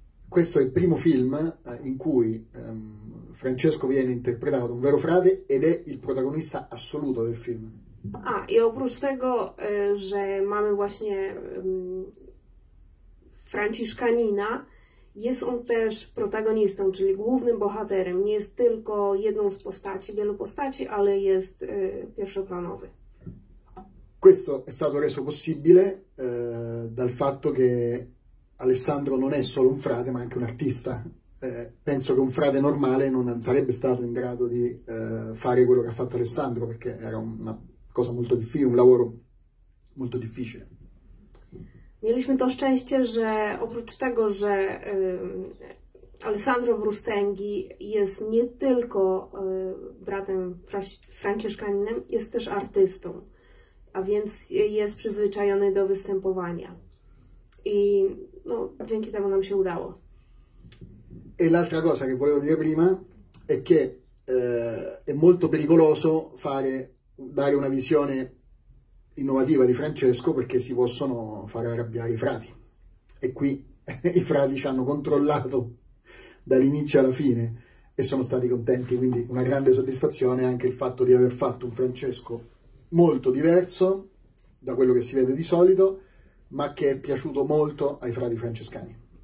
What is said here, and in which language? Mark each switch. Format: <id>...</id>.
<it>Questo è il primo film in cui Francesco viene interpretato da un vero frate ed è il protagonista assoluto del film.</it> <pl>A i oprócz tego, że mamy właśnie franciszkanina, jest on też protagonistą, czyli głównym bohaterem. Nie jest tylko jedną z postaci, wielu postaci, ale jest pierwszoplanowy.</pl> <it>Questo è stato reso possibile dal fatto che Alessandro non è solo un frate, ma anche un artista. Penso che un frate normale non sarebbe stato in grado di fare quello che ha fatto Alessandro, perché era una cosa molto difficile, un lavoro molto difficile.</it> <pl>Mieliśmy to szczęście, że oprócz tego, że Alessandro Brustenghi jest nie tylko bratem franciszkaninem, jest też artystą, a więc jest przyzwyczajony do występowania. I no, dzięki temu nam się udało.</pl> <it>E l'altra cosa che volevo dire prima è che è molto pericoloso dare una visione innovativa di Francesco, perché si possono far arrabbiare i frati. E qui i frati ci hanno controllato dall'inizio alla fine e sono stati contenti, quindi una grande soddisfazione anche il fatto di aver fatto un Francesco molto diverso da quello che si vede di solito, ma che è piaciuto molto ai frati francescani.</it>